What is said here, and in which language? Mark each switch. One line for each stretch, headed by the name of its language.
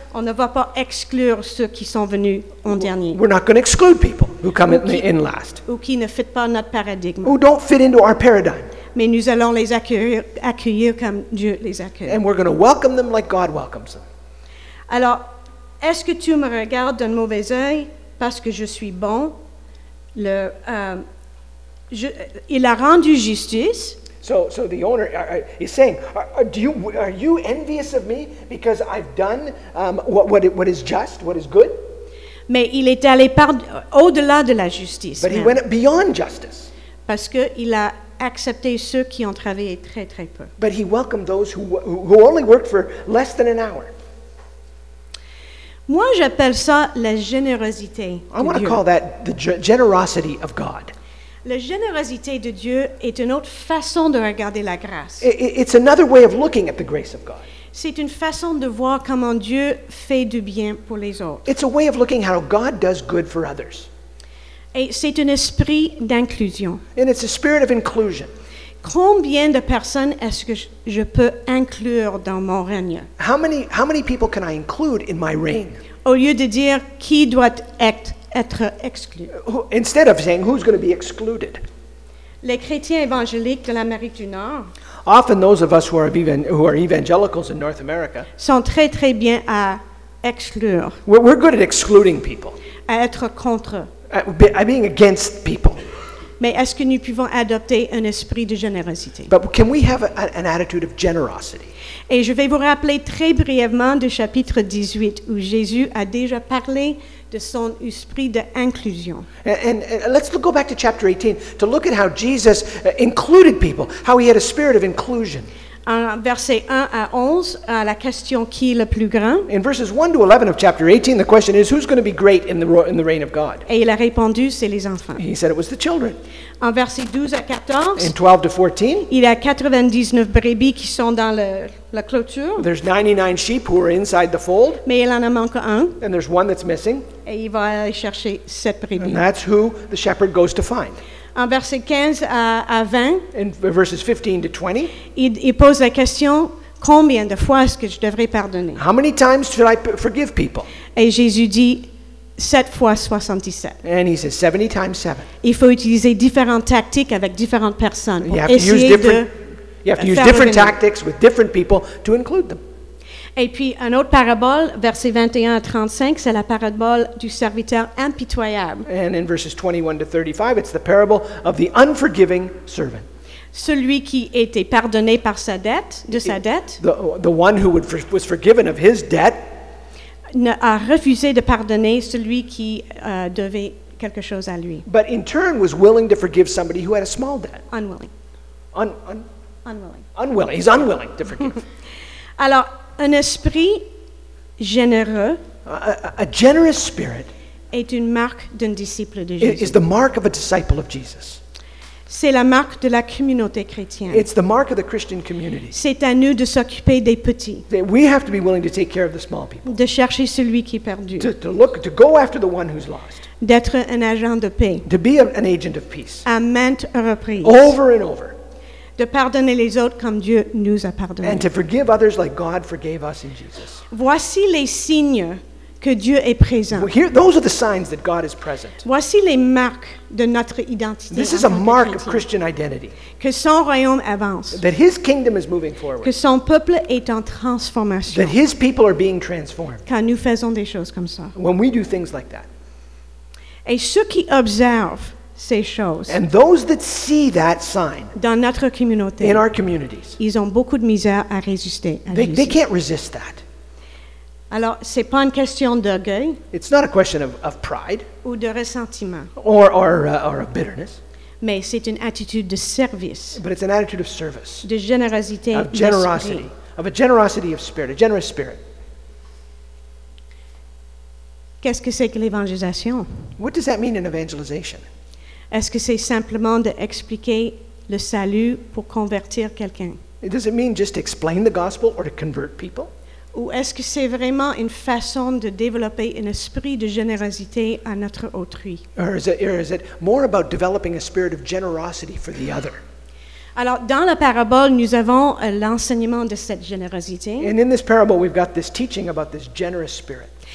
French: On ne va pas exclure ceux qui sont venus en dernier.
English: We're not going to exclude people who come in last.
French: Ou qui ne fit pas notre paradigme.
English: Who don't fit into our paradigm.
French: Mais nous allons les accueillir comme Dieu les accueille.
English: And we're going to welcome them like God welcomes them.
French: Alors, Est-ce que tu me regardes d'un mauvais œil parce que je suis bon? Il a rendu justice.
English: So the owner is saying, are you envious of me because I've done what is just, what is good?
French: Mais il est allé au-delà de la justice.
English: But he went beyond justice.
French: Parce que il a accepté ceux qui ont travaillé très très peu.
English: But he welcomed those who only worked for less than an hour.
French: Moi, j'appelle ça la générosité de Dieu.
English: I want to call that the generosity of God.
French: La générosité de Dieu est une autre façon de regarder la grâce.
English: It's another way of looking at the grace of God.
French: C'est une façon de voir comment Dieu fait du bien pour les autres.
English: It's a way of looking how God does good for others.
French: Et c'est un esprit d'inclusion.
English: And it's a spirit of inclusion.
French: Combien de personnes est-ce que je peux inclure dans mon règne?
English: How many people can I include in my reign?
French: Au lieu de dire qui doit être exclu.
English: Instead of saying who's going to be excluded.
French: Les chrétiens évangéliques de l'Amérique du Nord.
English: Often those of us who are evangelicals in North America.
French: Sont très très bien à exclure.
English: We're good at excluding people.
French: À être contre.
English: At being against people.
French: Mais est-ce que nous pouvons adopter un esprit de générosité?
English: But can we have an attitude of generosity?
French: Et je vais vous rappeler très brièvement du chapitre 18 où Jésus a déjà parlé de son esprit d'inclusion.
English: And let's go back to chapter 18 to look at how Jesus included people, how he had a spirit of inclusion.
French: En versets 1 à 11, à la question qui est le plus grand.
English: In verses 1 to 11 of chapter 18, the question is who's going to be great in the reign of God?
French: Et il a répondu, c'est les enfants.
English: He said it was the children.
French: En versets 12 à 14,
English: in 12 to 14,
French: il y a 99 brebis qui sont dans la clôture.
English: There's 99 sheep who are inside the fold.
French: Mais il en a manqué un.
English: And there's one that's missing.
French: Et il va aller chercher sept brebis.
English: And that's who the shepherd goes to find.
French: En versets 15 à 20,
English: in verses 15 to 20,
French: il pose la question, combien de fois est-ce que je devrais pardonner?
English: How many times should I forgive people?
French: Et Jésus dit, 7 fois 77.
English: And he says, 70 times 7.
French: Il faut utiliser différentes tactiques avec différentes personnes.
English: You have to use different tactics with different people to include them.
French: Et puis, un autre parabole, versets 21 à 35, c'est la parabole du serviteur impitoyable.
English: And in verses 21 to 35, it's the parable of the unforgiving servant.
French: Celui qui était pardonné par sa dette,
English: The one who was forgiven of his debt.
French: A refusé de pardonner celui qui devait quelque chose à lui.
English: But in turn was willing to forgive somebody who had a small debt. Unwilling. Unwilling. Unwilling. He's unwilling to forgive.
French: Alors, un esprit généreux
English: a generous spirit
French: est une marque d'un disciple de Jésus.
English: Is the mark of a disciple of Jesus.
French: C'est la marque de la communauté chrétienne.
English: It's the mark of the Christian community.
French: C'est à nous de s'occuper des petits.
English: We have to be willing to take care of the small people.
French: De chercher celui qui est perdu.
English: To go after the one who's lost.
French: D'être un agent de paix.
English: To be an agent of peace.
French: À maintes reprises.
English: Over and over.
French: De pardonner les autres comme Dieu nous a pardonnés.
English: And to forgive others like God forgave us in Jesus.
French: Voici les signes que Dieu est présent.
English: Well, here, those are the signs that God is present.
French: Voici les marques de notre identité.
English: This is a mark of Christian identity.
French: Que son royaume avance.
English: That his kingdom is moving forward.
French: Que son peuple est en transformation.
English: That his people are being transformed.
French: Quand nous faisons des choses comme ça.
English: When we do things like that.
French: Et ceux qui observent ces choses.
English: And those that see that sign
French: dans notre communauté,
English: in our communities,
French: ils ont beaucoup de misère à résister.
English: They can't resist that.
French: Alors, c'est pas une question d'orgueil.
English: It's not a question of pride.
French: Ou de ressentiment.
English: Or of bitterness.
French: Mais c'est une attitude de service.
English: But it's an attitude of service.
French: De générosité.
English: Of generosity.
French: D'esprit.
English: Of a generosity of spirit, a generous spirit.
French: Qu'est-ce que c'est que l'évangélisation?
English: What does that mean in evangelization?
French: Est-ce que c'est simplement d'expliquer le salut pour convertir quelqu'un?
English: Does it mean just to explain the gospel or to convert people?
French: Ou est-ce que c'est vraiment une façon de développer un esprit de générosité à notre autrui?
English: Or is it more about developing a spirit of generosity for the other?
French: Alors, dans la parabole, nous avons l'enseignement de cette générosité.
English: And in this parable, we've got this teaching about this generous spirit.